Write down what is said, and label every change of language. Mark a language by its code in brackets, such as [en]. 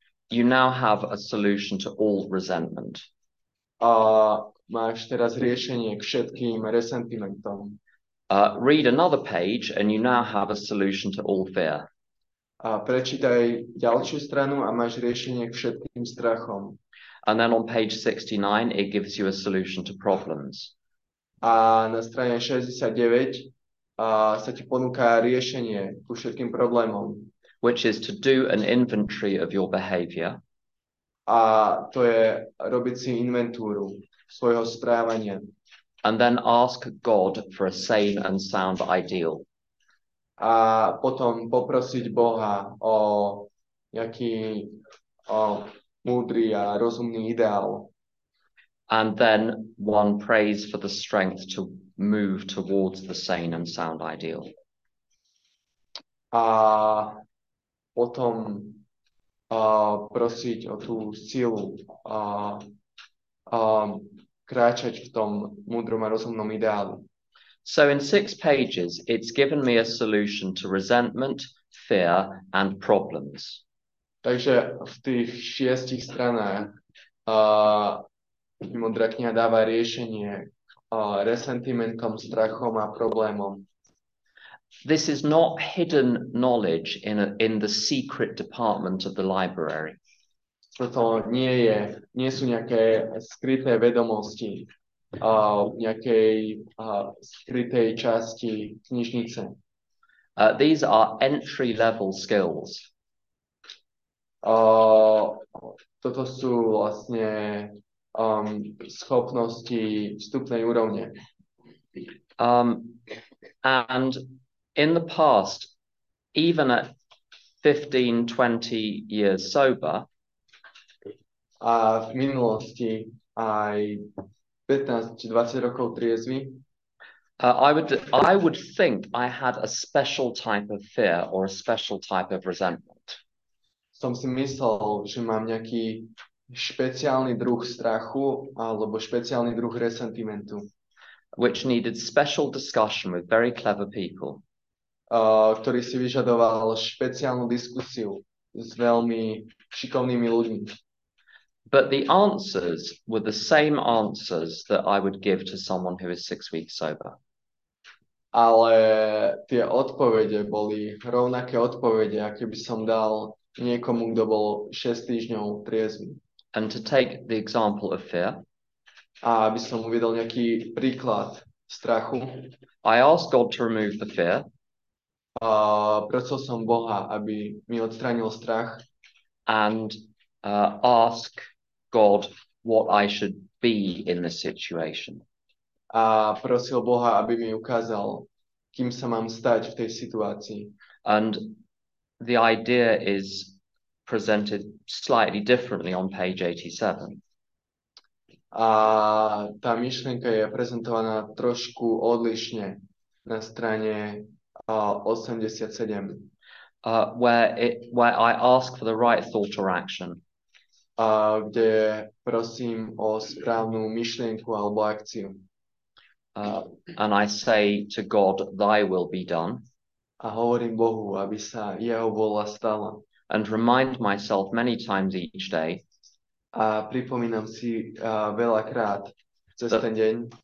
[en] you now have a solution to all resentment. [sk] Máš teraz riešenie k všetkým resentimentom. [en] Read another page and you now have a solution to all fear. [sk] Prečítaj ďalšiu stranu a máš riešenie k všetkým strachom. [en] And then on page 69 it gives you a solution to problems. [sk] A na strane 69 sa ti ponúka riešenie ku všetkým problémom. [en] Which is to do an inventory of your behavior. [sk] A to je robiť si inventúru svojho správania. [en] And then ask God for a sane and sound ideal. [sk] A potom poprosiť Boha o nejaký múdry a rozumný ideál. [en] And then one prays for the strength to move towards the sane and sound ideal. [sk] A potom prosiť o tú silu a kráčať v tom múdrom a rozumnom ideálu. [en] So in 6 pages, it's given me a solution to resentment, fear, and problems. [sk] Takže v tých 6 stranách Modrá kniha dáva riešenie resentimentom, strachom a problémom. [en] This is not hidden knowledge in the secret department of the library. [sk] Toto nie sú nejaké skryté vedomosti skrytej časti knižnice. [en] These are entry level skills. [sk] Toto sú vlastne schopnosti vstupnej úrovne. [en] And in the past, even at 15-20 years sober, [sk] a v minulosti aj 15-20 rokov triezvy, [en] I would think I had a special type of fear or a special type of resentment. [sk] Som si myslel, že mám nejaký špeciálny druh strachu alebo špeciálny druh resentimentu, [en] which needed special discussion with very clever people. [sk] Ktorý si vyžadoval špeciálnu diskusiu s veľmi šikovnými ľuďmi. [en] But the answers were the same answers that I would give to someone who is 6 weeks sober. [sk] Ale tie odpovede boli rovnaké odpovede, aké by som dal niekomu, kto bol 6 týždňov triezvy. [en] And to take the example of fear. [sk] A aby som uvedol nejaký príklad strachu. [en] I asked God to remove the fear. [sk] Prosil som Boha, aby mi odstránil strach. [en] And ask God what I should be in this situation. [sk] A prosil Boha, aby mi ukázal, kým sa mám stať v tej situácii. [en] And the idea is presented slightly differently on page 87. [sk] A tá myšlienka je prezentovaná trošku odlišne na strane 87. [en] Where I ask for the right thought or action. [sk] Kde prosím o správnu myšlienku alebo akciu. [en] And I say to God, thy will be done. [sk] A hovorím Bohu, aby sa jeho vôľa stala. [en] And remind myself many times each day. [sk] A pripomínam si veľakrát cez ten deň,